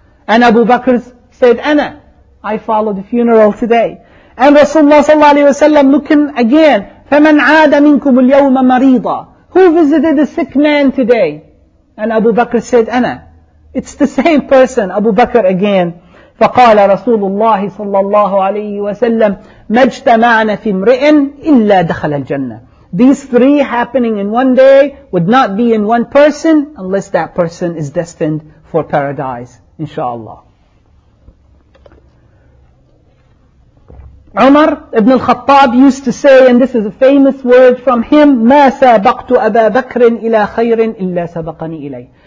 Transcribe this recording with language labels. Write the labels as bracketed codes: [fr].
[en] And Abu Bakr said, [ar] أَنَا. [en] I followed the funeral today. And Rasulullah sallallahu alayhi wa sallam looking again, [ar] فَمَنْ عَادَ مِنْكُمُ الْيَوْمَ مَرِيضًا. [en] Who visited a sick man today? And Abu Bakr said, [ar] أَنَا. [en] It's the same person, Abu Bakr again. [ar] فقال رسول الله صلى الله عليه وسلم ما اجتمعنا في امرئ إلا دخل الجنة. [en] These three happening in one day would not be in one person unless that person is destined for paradise, inshallah. Umar ibn al-Khattab used to say, and this is a famous word from him, [ar] ما سابقت أبا بكر إلى خير إلا سبقني إليه.